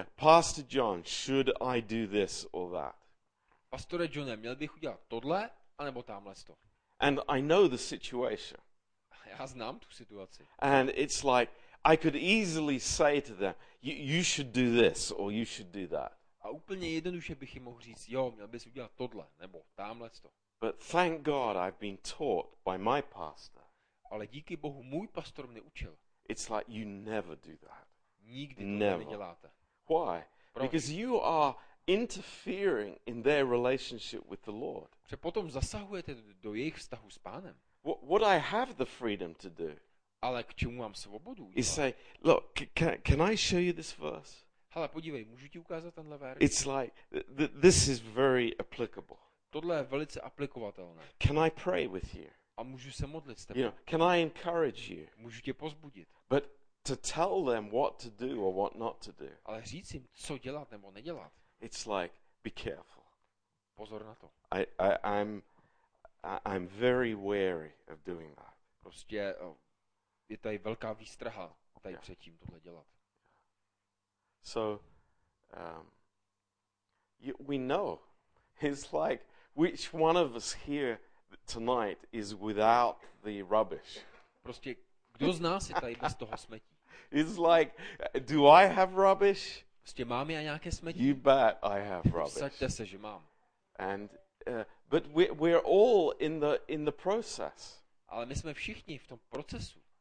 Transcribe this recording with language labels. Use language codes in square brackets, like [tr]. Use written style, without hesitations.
[en] Pastor John, should I do this or that? [cs] Pastore Johne, měl bych udělat tohle anebo tamhle to? [en] And I know the situation. [cs] Já znám tu situaci. [en] And it's like I could easily say to them, you should do this or you should do that. [cs] A úplně jednoduše bych jim mohl říct, jo, měl bys udělat tohle nebo tamhle to. [en] But thank God I've been taught by my pastor. [cs] Ale díky Bohu můj pastor mě učil. [en] It's like you never do that. [cs] Nikdy to neděláte. [en] Why? [cs] Proč? [en] Because you are interfering in their relationship with the Lord. [cs] Protože potom zasahujete do jejich vztahu s Pánem. [en] What I have the freedom to do. [cs] Ale k čemu mám svobodu? [en] You say, look, can I show you this verse? [cs] Hele, podívej, můžu ti ukázat tenhle verš? [en] It's like this is very applicable. [cs] Tohle je velice aplikovatelné. [en] Can I pray with you? [cs] A můžu se modlit s tebou? [en] You know, can I encourage you? [cs] Můžu tě pozbudit? [en] But to tell them what to do or what not to do. [cs] Ale říct jim, co dělat nebo nedělat. [en] It's like be careful. [cs] Pozor na to. [en] I'm very wary of doing that. [cs] Prostě je tady velká výstraha tady před tím tohle dělat. [en] So we know. It's like which one of us here tonight is without the rubbish. [cs] Prostě kdo z nás je tady bez toho smetí? [en] It's like, do I have rubbish? [cs] Prostě mám já nějaké smetí? [en] You bet I have rubbish. [cs] Vsaďte se, že mám. [en] And but we're all in the process. [cs] Ale my jsme všichni v tom procesu.